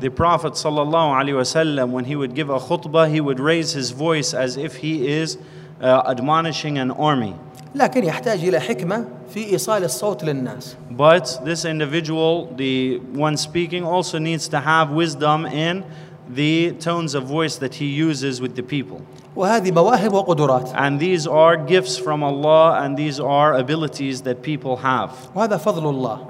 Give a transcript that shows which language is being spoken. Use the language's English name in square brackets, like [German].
[English] The Prophet [Arabic] صلى الله عليه وسلم [English] when he would give a khutbah he would raise his voice as if he is admonishing an army. [Arabic] لكن يحتاج إلى حكمة في إيصال الصوت للناس. [English] But this individual, the one speaking, also needs to have wisdom in the tones of voice that he uses with the people. [Arabic] وهذه مواهب وقدرات. [English] And these are gifts from Allah and these are abilities that people have. [Arabic] وهذا فضل الله.